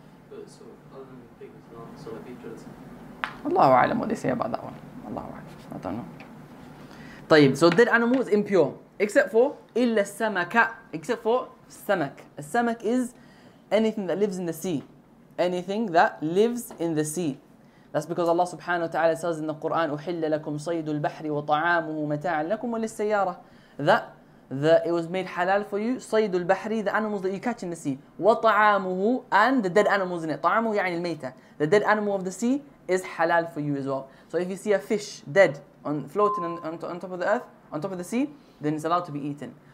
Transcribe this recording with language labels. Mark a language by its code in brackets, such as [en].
[en] But so, other than the pig is not, so the pig gelatin. Wallahu a'lam what they say about that one. Wallahu a'lam. I don't know. طيب, so dead animal is impure, except for [ar] إلا السمك, [en] except for السمك. السمك is anything that lives in the sea. Anything that lives in the sea. That's because Allah subhanahu wa ta'ala says in the Quran, [ar] أحل لكم صيد البحر وطعامه متاعا لكم وللسيارة. [en] That it was made halal for you, [ar] صيد البحر, [en] the animals that you catch in the sea. وطعامه, and the dead animals in it. [ar] طعامه يعني الميتة. [en] The dead animal of the sea is halal for you as well. So if you see a fish dead, floating on top of the sea, then it's allowed to be eaten.